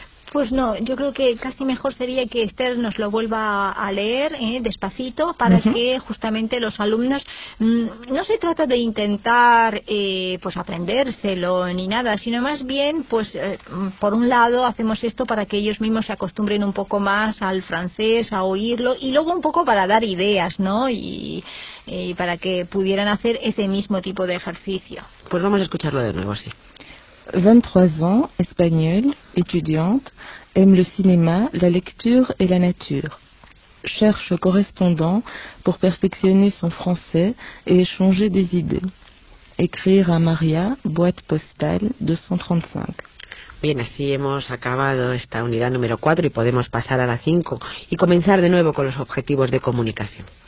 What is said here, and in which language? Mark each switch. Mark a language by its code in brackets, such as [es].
[es] Pues no, yo creo que casi mejor sería que Esther nos lo vuelva a leer despacito para que justamente los alumnos, no se trata de intentar pues aprendérselo ni nada, sino más bien, pues por un lado hacemos esto para que ellos mismos se acostumbren un poco más al francés, a oírlo, y luego un poco para dar ideas, ¿no? Y para que pudieran hacer ese mismo tipo de ejercicio. Pues vamos a escucharlo de nuevo, sí. [fr] 23 ans, espagnole, étudiante, aime le cinéma, la lecture et la nature. Cherche correspondant pour perfectionner son français et échanger des idées. Écrire à Maria, boîte postale 235. [es] Bien, así hemos acabado esta unidad número 4 y podemos pasar a la 5 y comenzar de nuevo con los objetivos de comunicación.